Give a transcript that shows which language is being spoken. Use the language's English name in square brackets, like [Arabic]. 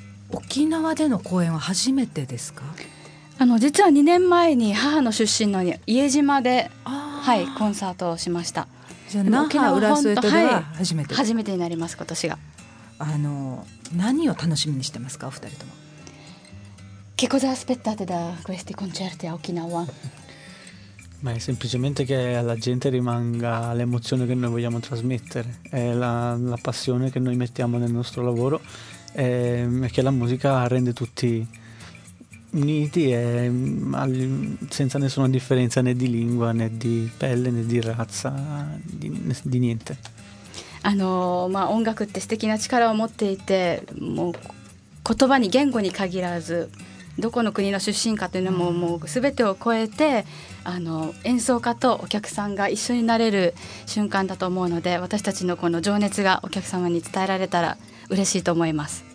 [Japanese] 沖縄での公演は初めてですか？実は2年前に母の出身の家島で、はい、コンサートをしました。じゃあ沖縄は本当、はい、初めて、初めてになります今年が。何を楽しみにしてますかお二人とも？ [Italian] Che cosa aspettate da questi concerti a Okinawa? Ma è semplicemente che alla gente rimanga l'emozione che noi vogliamo trasmettere, è la passione che noi mettiamo nel nostro lavoro e che la musica rende tutti uniti e senza nessuna differenza né di lingua né di pelle né di razza di niente. [Japanese] まあ音楽って素敵な力を持っていて、もう言葉に言語に限らず、どこの国の出身かというのも、もう全てを超えて、演奏家とお客さんが一緒になれる瞬間だと思うので、私たちのこの情熱がお客様に伝えられたら嬉しいと思います。